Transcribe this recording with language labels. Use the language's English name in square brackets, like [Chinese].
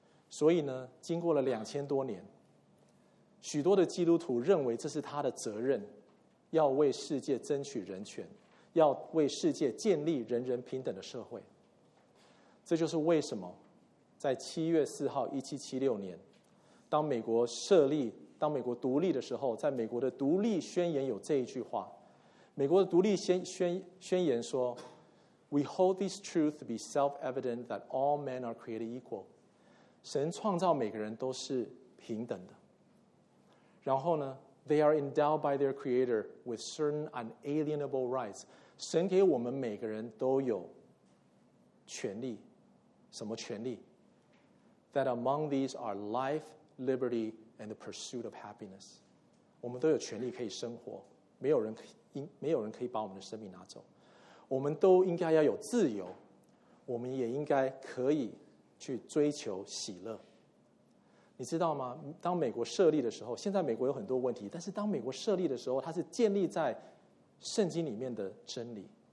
[Chinese] 所以呢，经过了2000多年，许多的基督徒认为这是他的责任，要为世界争取人权，要为世界建立人人平等的社会。这就是为什么在7月4号1776年，当美国独立的时候，在美国的独立宣言有这一句话。美国的独立宣言说， [English] We hold this truth to be self-evident that all men are created equal. [Chinese] 神创造每个人都是平等的。然后呢， [English] They are endowed by their creator with certain unalienable rights. [Chinese] 神给我们每个人都有权利。什么权利？ [English] That among these are life, liberty, and the pursuit of happiness. [Chinese] 我们都有权利可以生活，没有人可以把我们的生命拿走。我们都应该要有自由，我们也应该可以去追求喜乐。你知道吗？当美国设立的时候，现在美国有很多问题，但是当美国设立的时候，它是建立在圣经里面的真理。